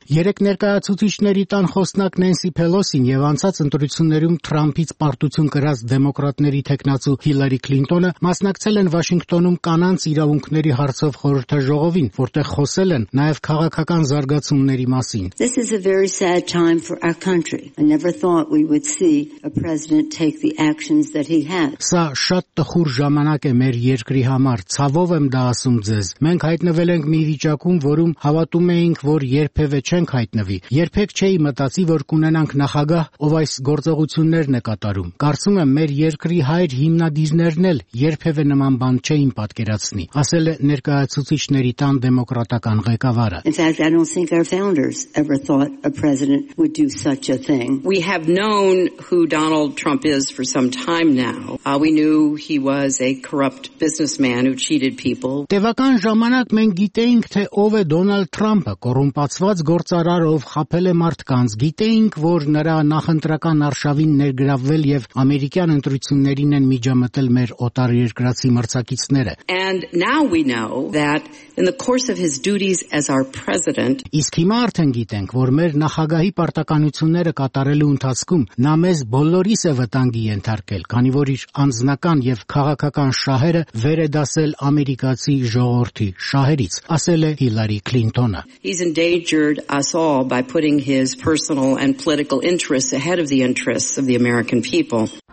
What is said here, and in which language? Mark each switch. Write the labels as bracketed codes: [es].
[hy] Երեք ներկայացուցիչների տան խոսնակ Նենսի Փելոսին և անցած ընտրություններում Թրամփից պարտություն կրած դեմոկրատների թեկնածու Հիլարի Քլինտոնը մասնակցել են Վաշինգտոնում կանանց իրավունքների հարցով խորհրդաժողովին, որտեղ խոսել են նաև քաղաքական զարգացումների մասին։ [en] This is a very sad time for our country. I never thought we would see a president take the actions that he has. [hy] Սա շատ տխուր ժամանակ է մեր երկրի համար, ցավով եմ դա ասում ձեզ։ Մենք հայտնվել ենք մի վիճակում, որում հավատում էինք, որ երբևէ չենք հայտնվի։ Երբեք չէի մտածի, որ կունենանք նախագահ, ով այս գործողություններն է կատարում։ Կարծում եմ, մեր երկրի հայր հիմնադիրներն էլ երբևէ նման բան չէին պատկերացնի, ասել է ներկայացուցիչների տան դեմոկրատական ղեկավարը։ [en] In fact, I don't think our founders ever thought a president would do such a thing. We have known who Donald Trump is for some time now. We knew he was a corrupt businessman who cheated people. [hy] Տևական ժամանակ մենք գիտեինք, թե ով է Դոնալդ Թրամփը, կոռումպացված գործարար, ով խաբել է մարդկանց։ Գիտեինք, որ նրա նախընտրական արշավին ներգրավվել և ամերիկյան ընտրություններին են միջամտել մեր օտար երկրացի մրցակիցները։ [en] And now we know that in the course of his duties as our president, [hy] իսկ հիմա արդեն գիտենք, որ մեր նախագահի պարտականությունները կատարելու ընթացքում նա մեզ բոլորիս է վտանգի ենթարկել, քանի որ իր անձնական և քաղաքական շահերը վեր է դասել ամերիկացի ժողովրդի շահերից, ասել է Հիլարի Քլինտոնը։ [en] He's endangered us all by putting his personal and political interests ahead of the interests of the American people.